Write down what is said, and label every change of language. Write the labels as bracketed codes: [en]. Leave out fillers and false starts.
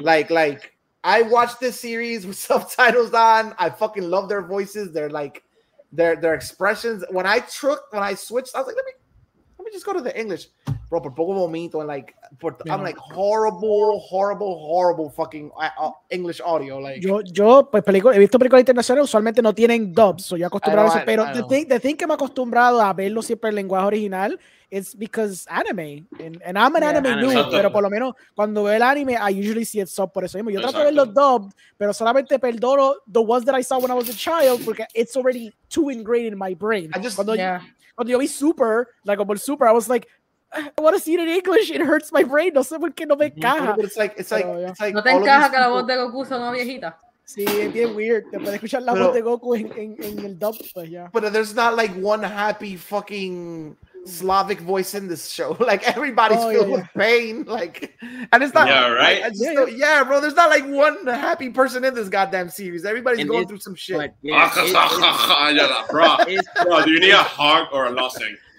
[en] Like, I watched this series with subtitles on. I fucking love their voices. They're like, their expressions. When I switched, I was like, let me just go to the English. Bro, [es] por poco momento. [en] And like, I'm like, horrible, horrible, horrible fucking English audio. Like, [es] yo pues, he visto películas internacionales, usualmente no tienen dubs, soy acostumbrado a eso. Pero [en] the thing [es] que me he acostumbrado a verlo siempre en lenguaje original [en] is because anime. And I'm an anime noob, [es] pero por lo menos cuando veo el anime, [en] I usually see it sub [es] por eso mismo. Yo trato de verlo dubbed, pero solamente perdono [en] the ones that I saw when I was a child [es] porque [en] it's already too ingrained in my brain. [es] Cuando yo vi Super, [en] like, [es] como el Super, [en] I was like, I want to see it in English. It hurts my brain. [es] No sé por qué no me encaja. [en] It's like [es] no te encaja que la voz de Goku son una viejita. Sí, es bien weird. Te puedes escuchar la voz de Goku en el dub, pues ya. [en] But there's not like one happy fucking Slavic voice in this show. Like everybody's filled with pain. Like, and it's not right. Bro. There's not like one happy person in this goddamn series. Everybody's and going through some shit. Like, bro, do you need a hug or a lozenge?